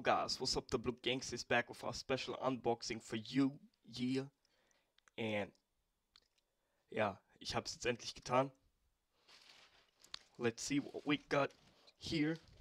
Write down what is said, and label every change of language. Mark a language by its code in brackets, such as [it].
[en] guys, what's up, the Blue Gangsters back with our special unboxing for you, yeah. [de] And ja, ich hab's jetzt endlich getan. [en] Let's see what we got here.